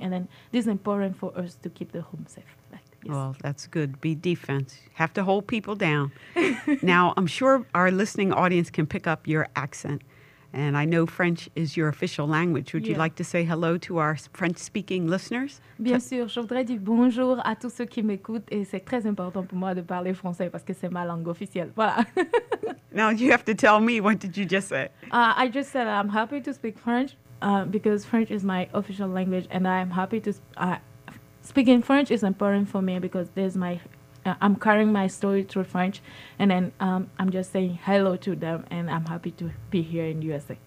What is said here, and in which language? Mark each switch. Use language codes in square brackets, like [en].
[en] And then this is important for us to keep the home safe. Well, that's good. Be defense. Have to hold people down. Now, I'm sure our listening audience can pick up your accent. And I know French is your official language. Would you like to say hello to our French-speaking listeners? [fr] Bien sûr. Je voudrais dire bonjour à tous ceux qui m'écoutent. Et c'est très important pour moi de parler français parce que c'est ma langue officielle. Voilà. [en] Now, you have to tell me. What did you just say? I just said I'm happy to speak French because French is my official language. And I'm happy to... Speaking French is important for me because there's my, I'm carrying my story through French, and then I'm just saying hello to them, and I'm happy to be here in USA.